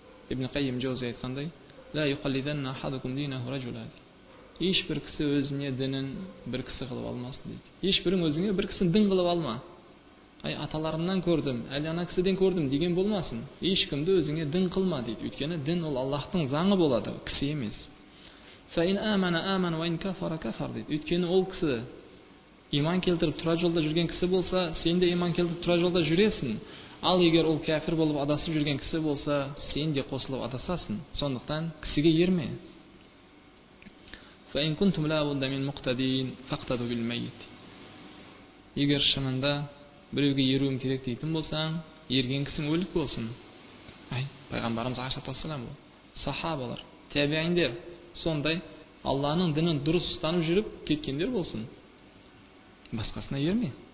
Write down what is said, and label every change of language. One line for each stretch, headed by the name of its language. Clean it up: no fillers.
Kazakh: Ибн Қайым Джаузи айтқандай:
Arabic: "Ла юқаллиданна ахадукум динаху раджула",
Kazakh: ешбір кісі өзіне дінін бір кісі қылып алмасын дейді. Ешбірің өзіңе бір кісіні дін қылып алма. Ай, аталарымнан көрдім, әлі ана кісіден көрдім деген болмасын. Ешкімді өзіңе дін қылма дейді. Өйткені дін ол Аллахтың заңы болады, кісі емес.
Arabic: فإن آمن آمن وإن كفر كفر дейді.
Kazakh: Өйткені ол кісі иман келтіріп тұра жолда жүрген кісі болса, сен де иман келтіріп тұра жолда жүресің. Ал егер ол кәфір болып адасып жүрген кісі болса, сен де қосылып адасасың. Сондықтан кісіге ерме.
Arabic: فإن كنتم لا بد من مقتدين فاقتدوا بالميت.
Kazakh: Егер шынында біреуге еруім керек дейтін болсаң, ерген кісің өліп болсын. Ай, пайғамбарымыз ашатасылам бұл. Сахабалар, тәбиіндер, сондай Алланың дінін дұрыс ұстанып жүріп кеткендер болсын. Басқасына ерме.